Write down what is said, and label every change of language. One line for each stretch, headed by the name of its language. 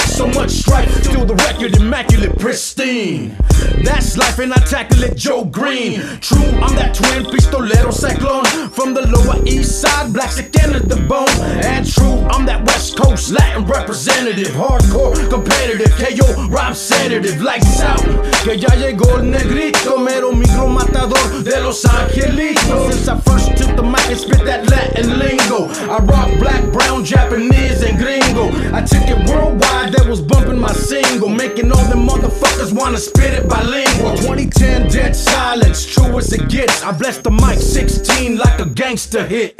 English: So much strife, feel the record immaculate, pristine. That's life and I tackle it, Joe Green. True, I'm that twin pistolero cyclone. From the lower east side, blacks again at the bone. And true, I'm that west coast Latin representative. Hardcore, competitive, KO, rhyme sedative. Lights out,
Spanish: que ya llegó el negrito. Mero micro matador de Los Angelitos.
English: Since I first took the mic and spit that Latin lingo, I rock black, brown, Japanese, and gringo. I took it worldwide, that was bumping my single. Making all them motherfuckers wanna spit it bilingual. 2010, dead silence, true as it gets. I blessed the mic 16 like a gangster hit.